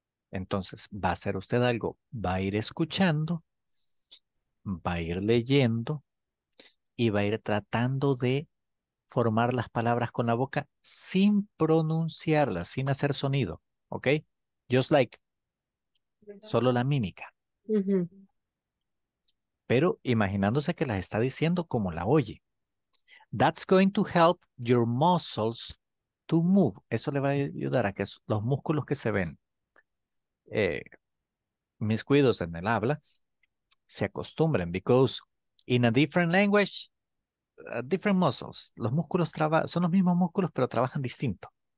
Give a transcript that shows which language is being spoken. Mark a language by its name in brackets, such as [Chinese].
[Spanish] Entonces, va a hacer usted algo. Va a ir escuchando, va a ir leyendo y va a ir tratando de formar las palabras con la boca sin pronunciarlas, sin hacer sonido. ¿Ok? [English] Just like. [Spanish] Solo la mímica. Pero imaginándose que las está diciendo como la oye. [English] That's going to help your muscles to move. [Spanish] Eso le va a ayudar a que los músculos que se ven miscuidos en el habla se acostumbren. [English] Because in a different language, different muscles. [Spanish] Los músculos son los mismos músculos, pero trabajan distinto.